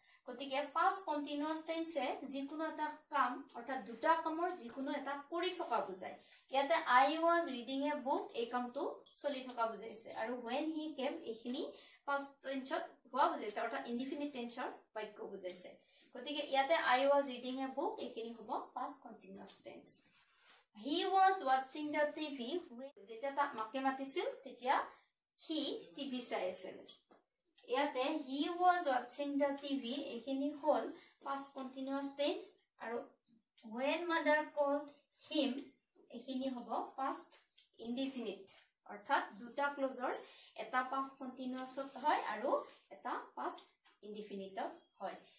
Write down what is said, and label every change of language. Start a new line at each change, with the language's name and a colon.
Assamese: গতিকে past continuous টেন্সে যিকোনো এটা কাম অৰ্থাৎ দুটা কামৰ যিকোনো এটা কৰি থকা বুজায়। ইয়াতে
English: I was reading a book
Assamese: এই কামটো চলি থকা বুজাইছে আৰু
English: when he came
Assamese: এইখিনি পাষ্ট টেন্সত হোৱা বুজাইছে অৰ্থাৎ ইনডিফিনিট টেন্সৰ বাক্য বুজাইছে। গতিকে ইয়াতে
English: I was reading a book
Assamese: এইখিনি হ'ব past continuous tense.
English: he was ৱাটচিং the TV
Assamese: যেতিয়া তাক মাকে মাতিছিল তেতিয়া সি টিভি চাই আছিল। ইয়াতে
English: he was ৱাটচিং the TV
Assamese: এইখিনি হ'ল পাষ্ট কণ্টিনিউৱাছ টেন্স আৰু
English: when mother called him
Assamese: এইখিনি হ'ব পাষ্ট ইনডিফিনিট অৰ্থাৎ দুটা ক্লজৰ এটা পাষ্ট কণ্টিনিউৱাছত হয় আৰু এটা পাষ্ট ইনডিফিনিটত হয়।